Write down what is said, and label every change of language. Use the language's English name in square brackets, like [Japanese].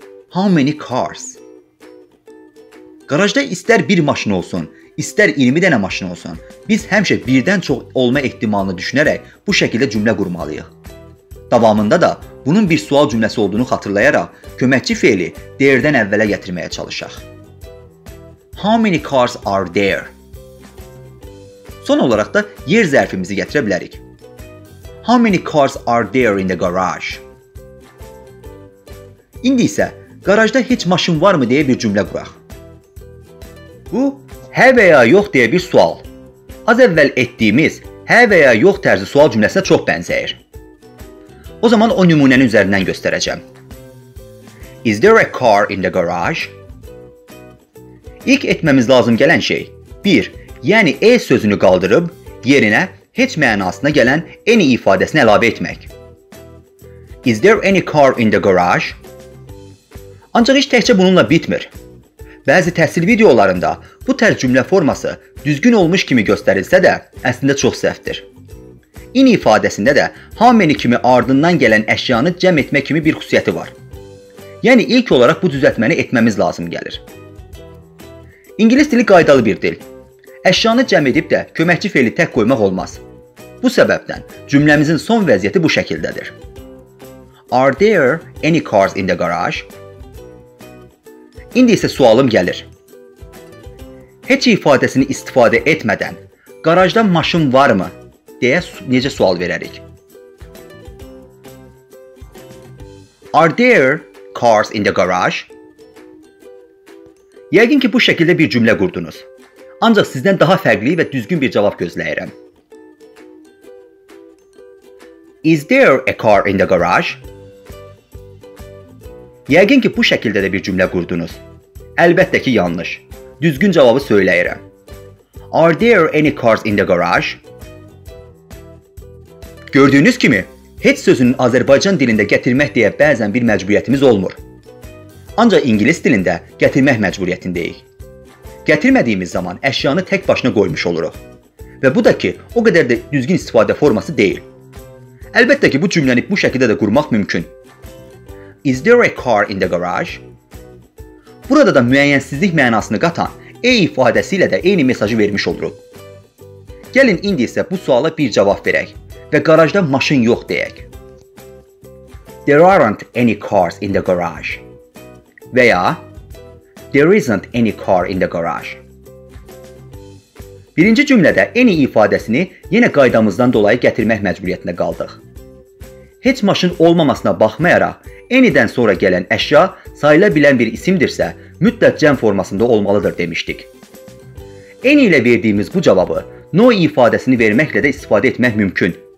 [English] How many cars? [Azerbaijani] Qarajda istər bir maşın olsun, istər 20 dənə maşın olsun, biz həmişə birdən çox olma ehtimalını düşünərək bu şəkildə cümlə qurmalıyıq. Davamında da bunun bir sual cümləsi olduğunu xatırlayaraq köməkçi feyli there-dən əvvələ gətirməyə çalışaq. [English] How many cars are there? [Azerbaijani] Son olaraq da yer zərfimizi gətirə bilərik. [English] How many cars are there in the garage? [Azerbaijani] İndi isə qarajda heç maşın varmı deyə bir cümlə quraq. Bu, hə və ya yox deyə bir sual. Az əvvəl etdiyimiz hə və ya yox tərzi sual cümləsinə çox bənzəyir. O zaman o nümunənin üzərindən göstərəcəm. [English] Is there a car in the garage? [Azerbaijani] İlk etməmiz lazım gələn şey 1. Yəni E sözünü qaldırıb yerinə heç mənasına gələn any ifadəsini əlavə etmək. [English] Is there any car in the garage? [Azerbaijani] Ancaq iş təkcə bununla bitmir. Bəzi təhsil videolarında bu tərz cümlə forması düzgün olmuş kimi göstərilsə də, əslində çox səhvdir. In ifadəsində də how many kimi ardından gələn əşyanı cəm etmək kimi bir xüsusiyyəti var. Yəni, ilk olaraq bu düzəltməni etməmiz lazım gəlir. İngilis dili qaydalı bir dil. Əşyanı cəm edib də köməkçi feyli tək qoymaq olmaz. Bu səbəbdən cümləmizin son vəziyyəti bu şəkildədir. [English] Are there any cars in the garage? [Azerbaijani] İndi isə sualım gəlir. Heç ifadəsini istifadə etmədən qarajda maşın varmı deyə necə sual verərik? [English] Are there cars in the garage? [Azerbaijani] Yəqin ki, bu şəkildə bir cümlə qurdunuz. Ancaq sizdən daha fərqli və düzgün bir cavab gözləyirəm. [English] Is there a car in the garage? [Azerbaijani] Yəqin ki, bu şəkildə də bir cümlə qurdunuz. Əlbəttə ki, yanlış. Düzgün cavabı söyləyirəm. [English] Are there any cars in the garage? [Azerbaijani] Gördüyünüz kimi, heç sözünün Azərbaycan dilində gətirmək deyə bəzən bir məcburiyyətimiz olmur. Ancaq ingilis dilində gətirmək məcburiyyətindəyik. Gətirmədiyimiz zaman əşyanı tək başına qoymuş oluruq. Və bu da ki, o qədər də düzgün istifadə forması deyil. Əlbəttə ki, bu cümləni bu şəkildə də qurmaq mümkün. [English] Is there a car in the garage? [Azerbaijani] Burada da müəyyənsizlik mənasını qatan E ifadəsi ilə də eyni mesajı vermiş oluruq. Gəlin, indi isə bu suala bir cavab verək və qarajda maşın yox deyək. [English] There aren't any cars in the garage. Və ya There isn't any car in the garage. [Azerbaijani] Birinci cümlədə any ifadəsini yenə qaydamızdan dolayı gətirmək məcburiyyətində qaldıq. Heç maşın olmamasına baxmayaraq, any-dən sonra gələn əşya sayıla bilən bir isimdirsə, mütləq cəm formasında olmalıdır demişdik. Any ilə verdiyimiz bu cavabı no ifadəsini verməklə də istifadə etmək mümkün.